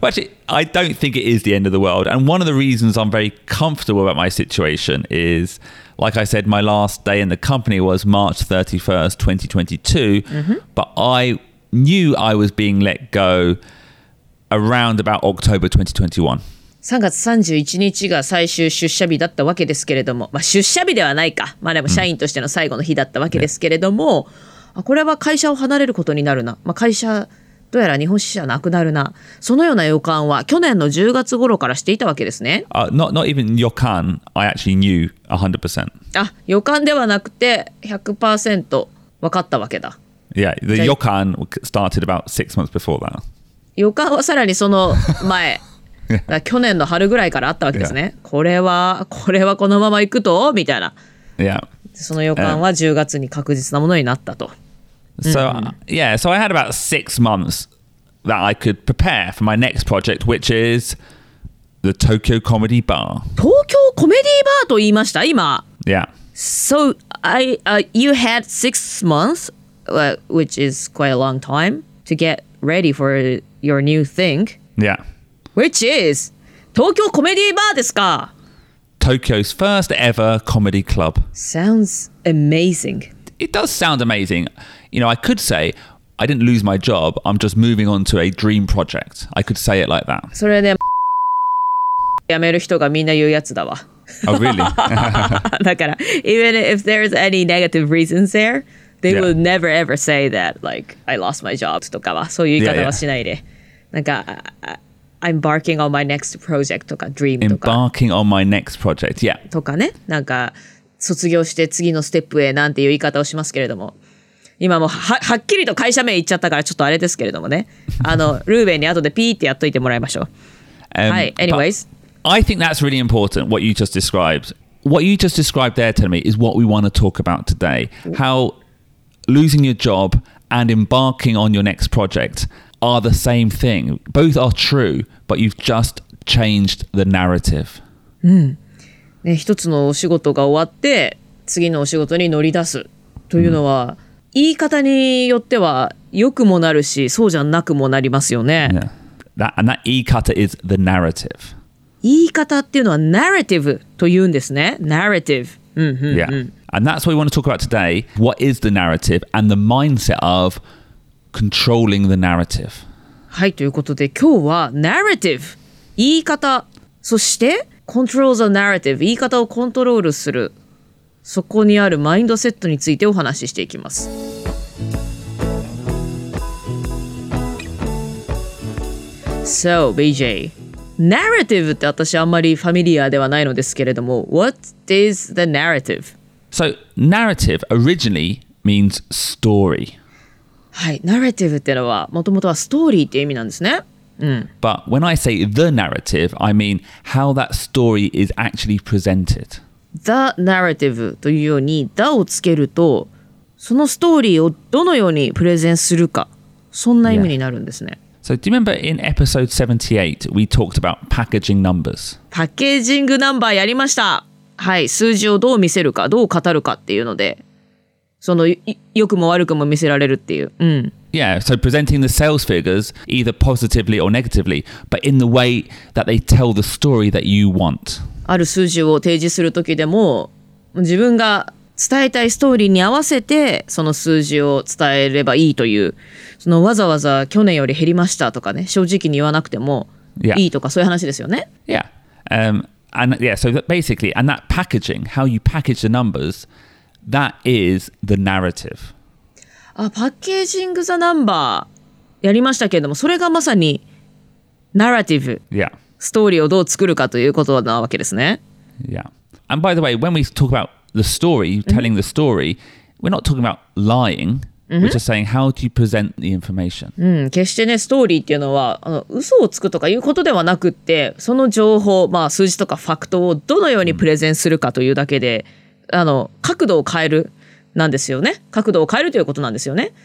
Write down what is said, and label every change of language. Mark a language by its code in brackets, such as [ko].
[en] Actually, I don't think it is the end of the world. And one of the reasons I'm very comfortable about my situation is, like I said, my last day in the company was March 31st, 2022. But I knew I was being let go around about October 2021. [ja] 3月31日が最終出社日だったわけですけれども、まあ、出社日ではないか、まあ、でも社員としての最後の日だったわけですけれども、これは会社を離れることになるな、まあ、会社どうやら日本支社なくなるな、そのような予感は去年の10月頃からしていたわけですね。 [en] Not even 予感、I actually knew 100%。 [ja] あ、予感ではなくて 100% 分かったわけだ。 [en] Yeah, the 予感 started about 6 months before that. [ja] 予感はさらにその前。だ去年の春ぐらいからあったわけですね、 [en] yeah. [ja] これはこのまま行くとみたいな、 [en] yeah. [ja] その予感は10月に確実なものになったと。 [en] So,、yeah, so I had about 6 months that I could prepare for my next project, which is the Tokyo Comedy Bar. [ja] 東京コメディーバーと言いました今。 [en] Yeah. So you had 6 months, which is quite a long time, to get ready for your new thing. Yeah. Which is [ja] 東京コメディーバーですか? [en] Tokyo's first ever comedy club. Sounds amazing. It does sound amazing. You know, I could say I didn't lose my job. I'm just moving on to a dream project. I could say it like that. [ja] それね、辞める人がみんな言うやつだわ。 [en] Oh, really? [ja] だから、 [en] even if there's any negative reasons there, they will never ever say that, like, I lost my job [ja] とかは、そういう言い方はしないで。なんか、 [en] Embarking on my next project [ja] とか dream とか [en] Embarking on my next project, yeah. [ja] とかね、なんか卒業して次のステップへなんていう言い方をしますけれども、今もはっきりと会社名言っちゃったからちょっとあれですけれどもね、ルーベンに後でピーってやっといてもらいましょう。はい、 [en] anyways. I think that's really important, what you just described. What you just described there, Terumi, is what we want to talk about today. How losing your job and embarking on your next project. Are the same thing. Both are true, but you've just changed the narrative. [ja] ね、一つのお仕事が終わって次のお仕事に乗り出すというのは、言い方によっては良くもなるし、そうじゃなくもなりますよね。 [en] That 言い方 is the narrative. [ja] 言い方っていうのは narrative というんですね。Narrative. [en] Yeah. And that's what we want to talk about today. What is the narrative and the mindset of? Controlling the narrative. [ja] はい、ということで今日は narrative 言い方、そして [en] control the narrative [ja] 言い方をコントロールする、そこにあるマインドセットについてお話ししていきます。 [en] So BJ, [ja] narrative って私あんまりファミリアではないのですけれども、 [en] what is the narrative? So narrative originally means story. [ja] はい、ナラティブってのはもともとはストーリーっていう意味なんですね。うん。 [en] But when I say the narrative, I mean how that story is actually presented. [ja] The narrative というように the をつけると、そのストーリーをどのようにプレゼンするか、そんな意味になるんですね。Yeah. [en] So do you remember in episode 78, we talked about packaging numbers? [ja] パッケージングナンバーやりました。はい、数字をどう見せるか、どう語るかっていうので。その良くも悪くも見せられるっていう。うん。 [en] Yeah, so presenting the sales figures either positively or negatively, but in the way that they tell the story that you want. [ja] ある数字を提示するときでも、自分が伝えたいストーリーに合わせてその数字を伝えればいいという、そのわざわざ去年より減りましたとかね、正直に言わなくてもいいとか、そういう話ですよね。 [en] Yeah. And yeah, so basically, and that packaging, how you package the numbers, that is the narrative. [ja] あ、パッケージング・ザ・ナンバーやりましたけれども、それがまさにナラティブ、 [en] yeah. [ja] ストーリーをどう作るかということなわけですね。 [en] Yeah. And by the way, when we talk about the story, telling the story, we're not talking about lying, we're just saying how do you present the information. [ja] うん、決してね、ストーリーっていうのは、あの、嘘をつくとかいうことではなくって、その情報、まあ、数字とかファクトをどのようにプレゼンするかというだけで、あの、角度を変える。なんですよね。角度を変えるということなんですよね。